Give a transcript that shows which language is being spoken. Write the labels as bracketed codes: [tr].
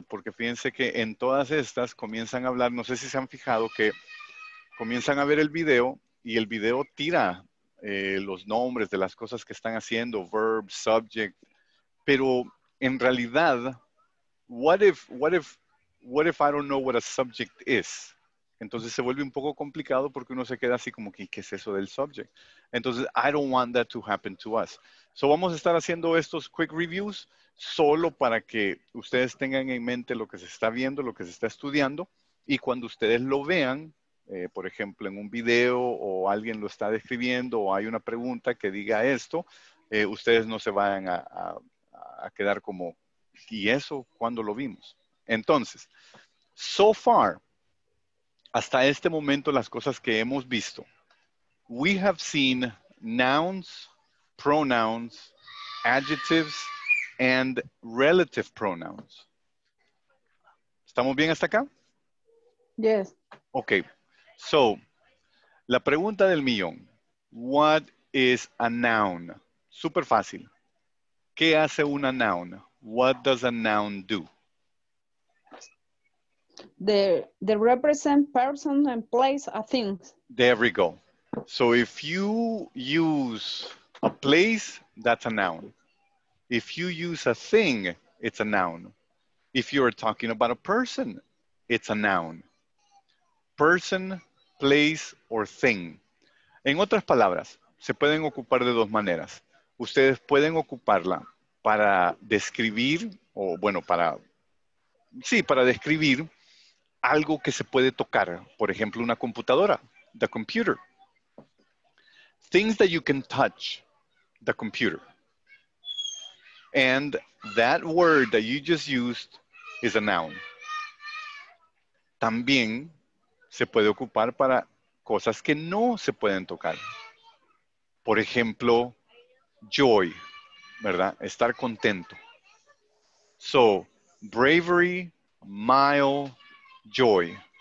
[es] Porque fíjense que en todas estas comienzan a hablar, no sé si se han fijado, que comienzan a ver el video y el video tira los nombres de las cosas que están haciendo, verb, subject. Pero en realidad, [en] what if I don't know what a subject is? [es] Entonces se vuelve un poco complicado porque uno se queda así como que, ¿qué es eso del subject? Entonces, [en] I don't want that to happen to us. [es] So vamos a estar haciendo estos [en] quick reviews [es] solo para que ustedes tengan en mente lo que se está viendo, lo que se está estudiando. Y cuando ustedes lo vean, por ejemplo, en un video o alguien lo está describiendo o hay una pregunta que diga esto, ustedes no se vayan a quedar como, ¿y eso cuándo lo vimos? Entonces, [en] so far, [es] hasta este momento, las cosas que hemos visto. [en] We have seen nouns, pronouns, adjectives, and relative pronouns. [es] ¿Estamos bien hasta acá? [en] Yes. [es] Okay. So, la pregunta del millón. [en] What is a noun? [es] Super fácil. ¿Qué hace una noun? [en] What does a noun do? The represent person and place a things. There we go. So if you use a place, that's a noun. If you use a thing, it's a noun. If you are talking about a person, it's a noun. Person, place, or thing. [es] En otras palabras, se pueden ocupar de dos maneras. Ustedes pueden ocuparla para describir, o bueno, para describir algo que se puede tocar. Por ejemplo, una computadora, [en] the computer. Things that you can touch, the computer. And that word that you just used is a noun. [es] También se puede ocupar para cosas que no se pueden tocar. Por ejemplo, joy, ¿verdad? Estar contento. [en] So, bravery, mile, joy.